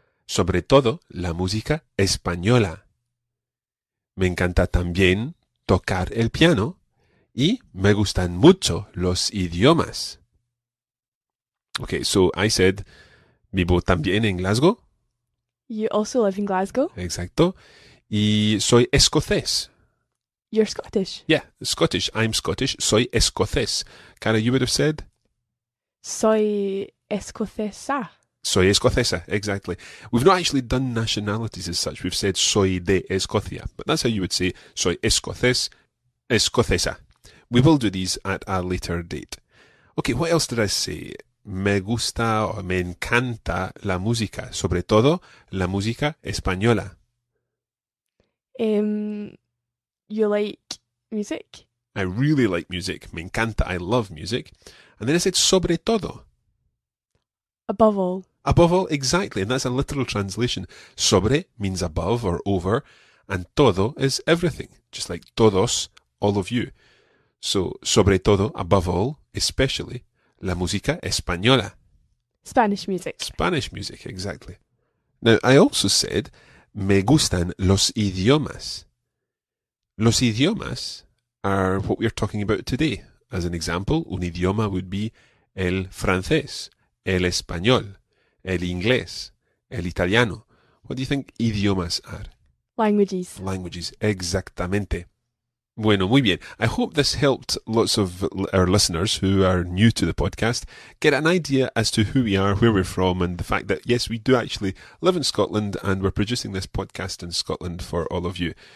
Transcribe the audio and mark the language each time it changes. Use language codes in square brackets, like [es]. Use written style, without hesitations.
[es] Sobre todo la música española. Me encanta también tocar el piano. Y me gustan mucho los idiomas. [en] Okay, so I said, [es] vivo también en Glasgow. [en] You also live in Glasgow. [es] Exacto. Y soy escocés. [en] You're Scottish. Yeah, Scottish. I'm Scottish. [es] Soy escocés. [en] Cara, you would have said? [es] Soy escocesa. Soy escocesa, exactly. [en] We've not actually done nationalities as such. We've said [es] soy de Escocia. [en] But that's how you would say [es] soy escocés, escocesa. [en] We will do these at a later date. Okay, what else did I say? [es] Me gusta o me encanta la música, sobre todo la música española. [en] You like music? I really like music. [es] Me encanta, [en] I love music. And then I said [es] sobre todo. [en] Above all. Above all, exactly. And that's a literal translation. Sobre means above or over, and todo is everything, just like todos, all of you. So, sobre todo, above all, especially, [es] la música española. [en] Spanish music. Spanish music, exactly. Now, I also said, [es] me gustan los idiomas. Los idiomas [en] are what we're talking about today. As an example, [es] un idioma [en] would be [es] el francés, el español, el inglés, el italiano. [en] What do you think idiomas are? Languages. Languages, [es] exactamente. Bueno, muy bien. [en] I hope this helped lots of our listeners who are new to the podcast get an idea as to who we are, where we're from, and the fact that, yes, we do actually live in Scotland and we're producing this podcast in Scotland for all of you.